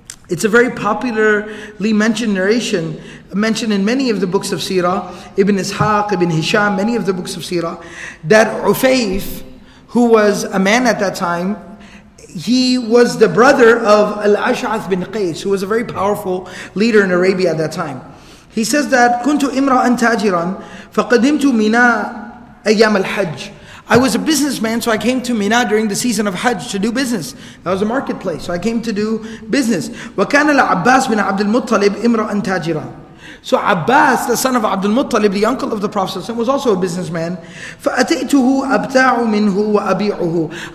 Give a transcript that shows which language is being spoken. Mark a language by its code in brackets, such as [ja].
[en] It's a very popularly mentioned narration, mentioned in many of the books of Seerah, Ibn Ishaq, Ibn Hisham, many of the books of Seerah, that Ufayf, who was a man at that time, he was the brother of Al-Ash'ath bin Qais, who was a very powerful leader in Arabia at that time. He says that, [ar] كنت إمرأً تاجراً فقدمت ميناء أيام الحج. [en] I was a businessman, so I came to Mina during the season of Hajj to do business. That was a marketplace, so I came to do business. [ar] وَكَانَ لَعَبَّاسِ مِنَ عَبْدِ الْمُطَّلِبِ إِمْرَأً تَاجِرًا. [en] So Abbas, the son of Abd al-Muttalib, the uncle of the Prophet, was also a businessman. فَأَتَيْتُهُ أَبْتَاعُ مِنْهُ وَأَبِيعُهُ.